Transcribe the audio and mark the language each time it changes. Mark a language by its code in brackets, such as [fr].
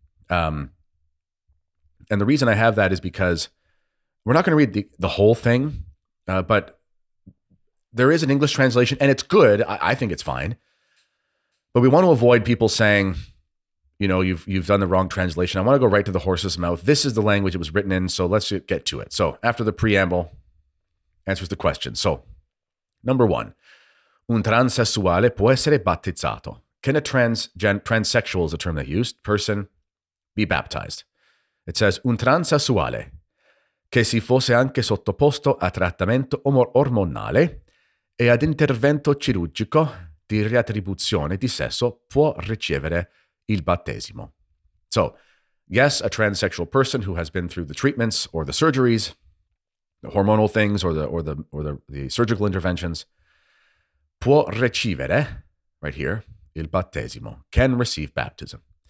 [en] And the reason I have that is because we're not going to read the whole thing, but there is an English translation, and it's good. I think it's fine. But we want to avoid people saying, you know, you've done the wrong translation. I want to go right to the horse's mouth. This is the language it was written in, so let's get to it. So after the preamble, answers the question. So number one, [it] un transessuale può essere battezzato. [en] Can a transsexual, is a term they used, person, be baptized? It says, [it] un transessuale che si fosse anche sottoposto a trattamento ormonale e ad intervento chirurgico di riattribuzione di sesso può ricevere il battesimo. [en] So, yes, a transsexual person who has been through the treatments or the surgeries, the hormonal things or the surgical interventions, [it] può ricevere, [en] right here, [it] il battesimo, [en] can receive baptism.